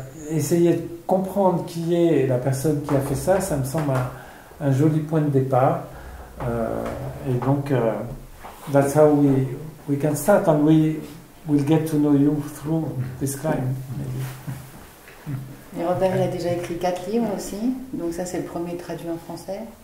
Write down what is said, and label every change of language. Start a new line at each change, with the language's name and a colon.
French: Essayer de comprendre qui est la personne qui a fait ça me semble un joli point de départ. Et donc,
English: that's how we can start, and we will get to know you through this climb, maybe.
French: Et Robert, il a déjà écrit quatre livres aussi. Donc ça, c'est le premier traduit en français.